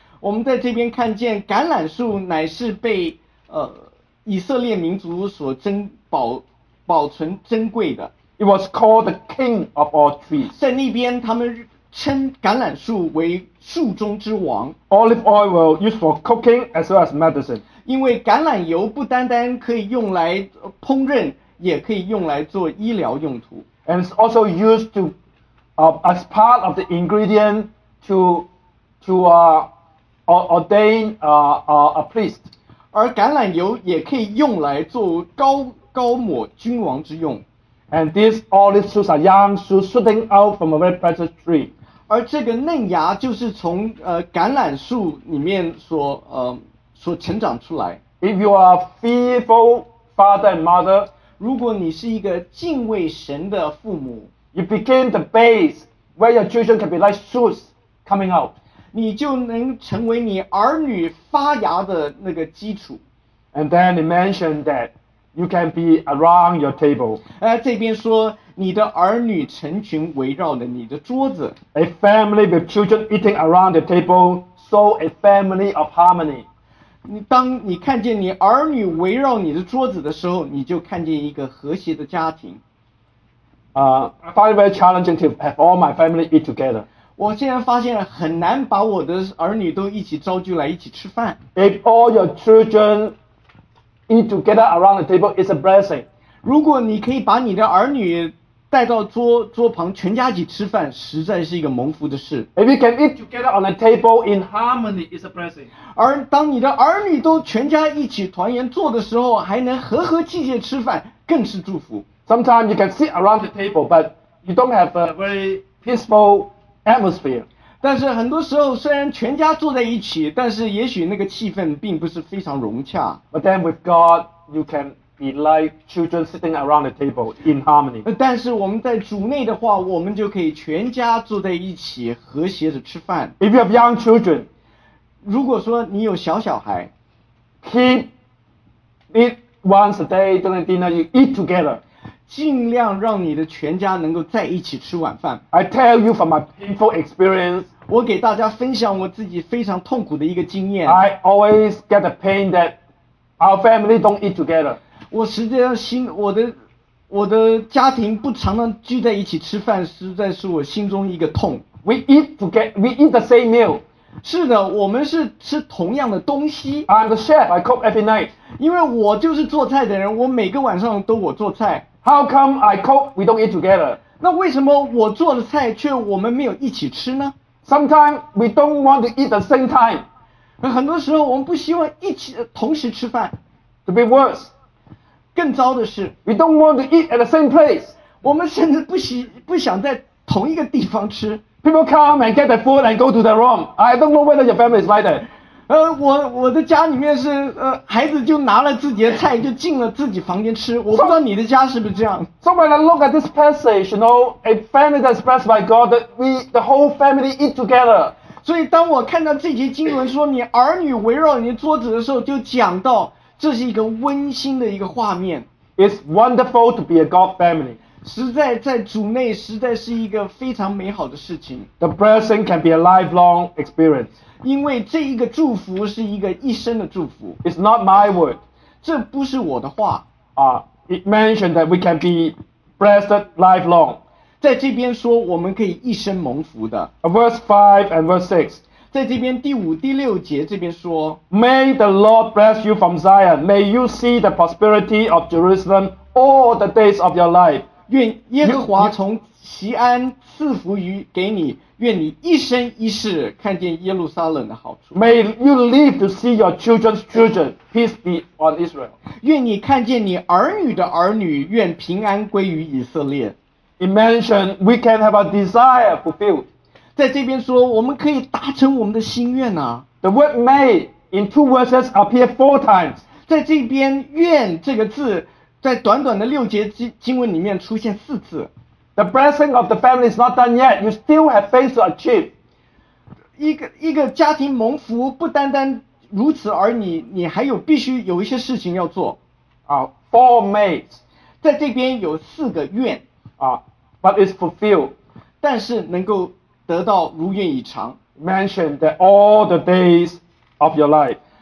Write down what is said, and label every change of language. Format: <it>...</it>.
<zh>我们在这边看见橄榄树乃是被以色列民族所保存珍贵的。</zh> <en>It was called the king of all trees.</en> <zh>在那边他们称橄榄树为树中之王。</zh> <en>Olive oil was used for cooking as well as medicine.</en> <zh>因为橄榄油不单单可以用来烹饪，也可以用来做医疗用途。</zh> <en>And it's also used to, as part of the ingredient to ordain a priest.</en> <zh>而橄榄油也可以用来做膏抹君王之用。</zh> <en>And these olive shoots are young shoots shooting out from a very precious tree.</en> <zh>而这个嫩芽就是从橄榄树里面所成长出来。</zh> <en>If you are fearful father and mother,</en> <zh>如果你是一个敬畏神的父母，</zh> <en>you begin the base where your children can be like shoots coming out.</en> <zh>你就能成为你儿女发芽的那个基础。</zh> <en>And then he mentioned that. You can be around your table.</en> <zh>这边说你的儿女成群围绕着你的桌子。</zh> <en>A family with children eating around the table, so a family of harmony.</en> <zh>当你看见你儿女围绕你的桌子的时候，你就看见一个和谐的家庭。</zh> <en>I find it very challenging to have all my family eat together.</en> <zh>我现在发现很难把我的儿女都一起招聚来一起吃饭。</zh> <en>If all your children eat together around the table is a blessing.</en> <zh>如果你可以把你的儿女带到桌旁全家一起吃饭，实在是一个蒙福的事。</zh> <en>If you can eat together on the table in harmony is a blessing.</en> <zh>而当你的儿女都全家一起团圆坐的时候，还能和和气气吃饭，更是祝福。</zh> <en>Sometimes you can sit around the table, but you don't have a very peaceful atmosphere.</en> <zh>但是很多时候虽然全家坐在一起，但是也许那个气氛并不是非常融洽。</zh> <en>But then with God, you can be like children sitting around the table in harmony.</en> <zh>但是我们在主内的话，我们就可以全家坐在一起和谐的吃饭。</zh> <en>If you have young children,</en> <zh>如果说你有小孩</zh> <en>keep it once a day during dinner, you eat together.</en> <zh>尽量让你的全家能够在一起吃晚饭。</zh> <en>I tell you from my painful experience.</en> <zh>我给大家分享我自己非常痛苦的一个经验。</zh> <en>I always get the pain that our family don't eat together.</en> <zh>我实际上心我的我的家庭不常常聚在一起吃饭，实在是我心中一个痛。</zh> <en>We eat together. We eat the same meal.</en> <zh>是的，我们是吃同样的东西。</zh> <en>I'm the chef. I cook every night.</en> <zh>因为我就是做菜的人，我每个晚上都我做菜。</zh> <en>How come I cook, we don't eat together?</en> <zh>那为什么我做的菜却我们没有一起吃呢？</zh> <en>Sometimes we don't want to eat the same time.</en> <zh>很多时候我们不希望一起同时吃饭。</zh> <en>To be worse.</en> <zh>更糟的是</zh> <en>We don't want to eat at the same place.</en> <zh>我们甚至不想在同一个地方吃。</zh> <en>People come and get their food and go to their room. I don't know whether your family is like that.</en> <zh>我的家里面是孩子就拿了自己的菜就进了自己房间吃。我不知道你的家是不是这样。</zh> <en>So when I look at this passage, you know, a family that's blessed by God, the whole family eat together.</en> <zh>所以当我看到这节经文说你儿女围绕你桌子的时候，就讲到这是一个温馨的一个画面。</zh> <en>It's wonderful to be a God family.</en> <zh>实在在主内实在是一个非常美好的事情。</zh> <en>The blessing can be a lifelong experience.</en> <zh>因为这一个祝福是一个一生的祝福。</zh> <en>It's not my word.</en> <zh>这不是我的话。</zh> <en>It mentioned that we can be blessed lifelong.</en> <zh>在这边说我们可以一生蒙福的。</zh> <en>Verse 5 and verse 6.</en> <zh>在这边第五、第六节这边说</zh> <en>May the Lord bless you from Zion. May you see the prosperity of Jerusalem all the days of your life.</en> <zh>愿耶和华从锡安赐福于给你，愿你一生一世看见耶路撒冷的好处。</zh> <en>May you live to see your children's children. Peace be on Israel.</en> <zh>愿你看见你儿女的儿女，愿平安归于以色列。</zh> <en>It mentioned we can have a desire fulfilled.</en> <zh>在这边说我们可以达成我们的心愿啊。</zh> <en>The word may in two verses appear four times.</en> <zh>在这边愿这个字在短短的六节经文里面出现四次。</zh> <en>The blessing of the family is not done yet. You still have things to achieve.</en> <zh>一个家庭蒙福不单单如此而已，你还有必须有一些事情要做。</zh> <en>Four mays.</en> <zh>在这边有四个愿。</zh> <en>But it's fulfilled.</en> <zh>但是能够得到如愿以偿。</zh> <en>Mention that all the days of your life.</en>